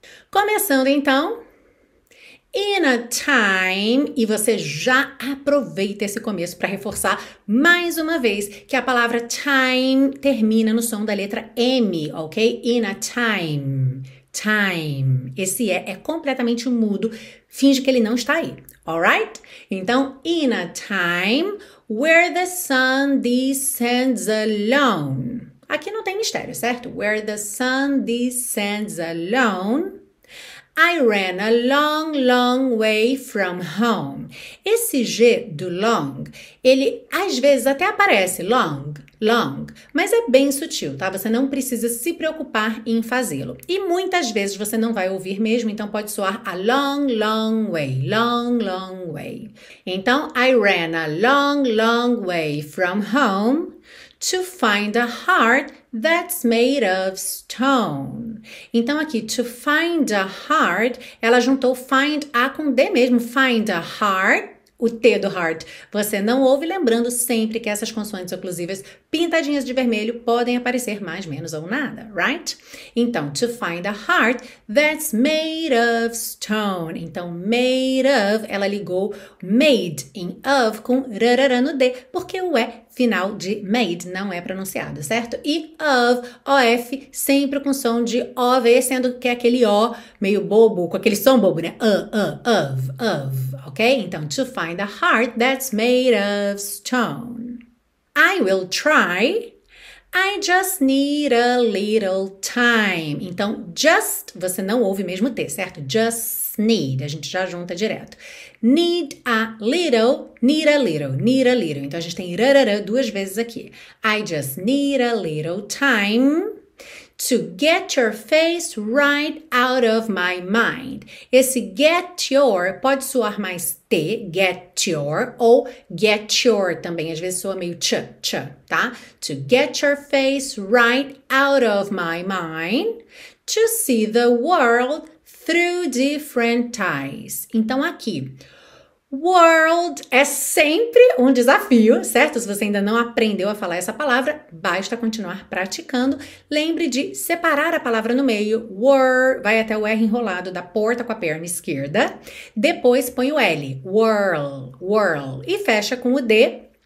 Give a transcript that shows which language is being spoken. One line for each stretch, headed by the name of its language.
Portuguese: Começando então,
English: In a time,
Portuguese: e você já aproveita esse começo para reforçar mais uma vez que a palavra time termina no som da letra M, ok?
English: In a time, time.
Portuguese: Esse é completamente mudo, finge que ele não está aí, alright?
English: Então, in a time where the sun descends alone.
Portuguese: Aqui não tem mistério, certo?
English: Where the sun descends alone. I ran a long, long way from home.
Portuguese: Esse G do long, ele às vezes até aparece long, long, mas é bem sutil, tá? Você não precisa se preocupar em fazê-lo. E muitas vezes você não vai ouvir mesmo, então pode soar
English: a long, long way,
Portuguese: long, long way.
English: Então, I ran a long, long way from home to find a heart that's made of stone.
Portuguese: Então aqui,
English: to find a heart,
Portuguese: ela juntou find a com D mesmo,
English: find a heart,
Portuguese: o T do heart. Você não ouve, lembrando sempre que essas consoantes oclusivas pintadinhas de vermelho podem aparecer mais, menos ou nada, right?
English: Então, to find a heart that's made of stone.
Portuguese: Então,
English: made of,
Portuguese: ela ligou made em of com rarara no D, porque o E final de made não é pronunciado, certo? E of, OF, sempre com som de OV, sendo que é aquele O meio bobo, com aquele som bobo, né?
English: Of, ok? Então, to find a heart that's made of stone. I will try. I just need a little time.
Portuguese: Então, just, você não ouve mesmo T, certo?
English: Just need,
Portuguese: a gente já junta direto.
English: Need a little, need a little, need a little.
Portuguese: Então a gente tem rarara duas vezes aqui.
English: I just need a little time to get your face right out of my mind.
Portuguese: Esse
English: get your
Portuguese: pode soar mais T, get your, ou get your também, às vezes soa meio tch, tá?
English: To get your face right out of my mind to see the world through different eyes.
Portuguese: Então aqui, world é sempre um desafio, certo? Se você ainda não aprendeu a falar essa palavra, basta continuar praticando. Lembre de separar a palavra no meio. World vai até o R enrolado da porta com a perna esquerda. Depois põe o L. World. E fecha com o D.